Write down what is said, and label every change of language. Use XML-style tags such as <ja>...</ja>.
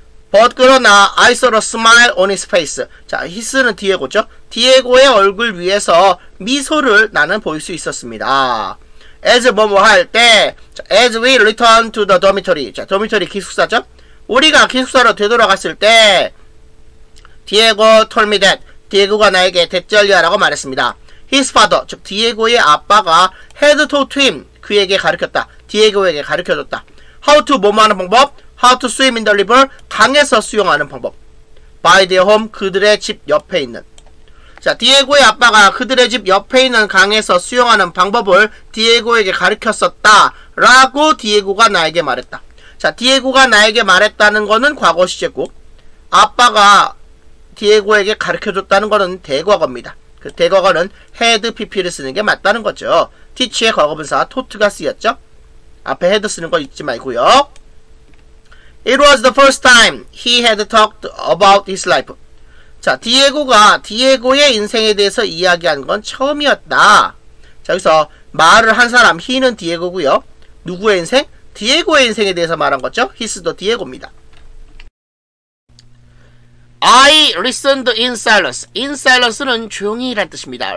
<en>But</en> <ko>그러나,</ko> <en>I saw a smile on his face.</en> <ko>자, his는 디에고죠. 디에고의 얼굴 위에서 미소를 나는 볼 수 있었습니다.</ko> <en>As</en> <ko>뭐뭐 할 때,</ko> <en>as we return to the dormitory,</en> <ko>자, dormitory 기숙사죠. 우리가 기숙사로 되돌아갔을 때,</ko> <en>Diego told me that,</en> <ko>디에고가 나에게 대절이야라고 말했습니다.</ko> <en>His father,</en> <ko>즉 디에고의 아빠가</ko> <en>head taught him,</en> <ko>그에게 가르쳤다. 디에고에게 가르쳐줬다.</ko> <en>How to</en> <ko>뭐뭐하는 방법?</ko> <en>How to swim in the river,</en> <ko>강에서 수영하는 방법.</ko> <en>By their home,</en> <ko>그들의 집 옆에 있는. 자, 디에고의 아빠가 그들의 집 옆에 있는 강에서 수영하는 방법을 디에고에게 가르쳤었다. 라고 디에고가 나에게 말했다. 자, 디에고가 나에게 말했다는 거는 과거 시제고, 아빠가 디에고에게 가르쳐줬다는 거는 대과겁니다. 그 대과거는 head pp를 쓰는 게 맞다는 거죠. teach의 과거분사 taught가 쓰였죠. 앞에 head 쓰는 거 잊지 말고요.</ko> <en>It was the first time he had talked about his life.</en> <ko>자, 디에고가 디에고의 인생에 대해서 이야기한 건 처음이었다. 자, 여기서 말을 한 사람, he는 디에고고요. 누구의 인생? 디에고의 인생에 대해서 말한 거죠. his도 디에고입니다.</ko> <en>I listened in silence. In silence는</en> <ko>조용히란 뜻입니다.</ko>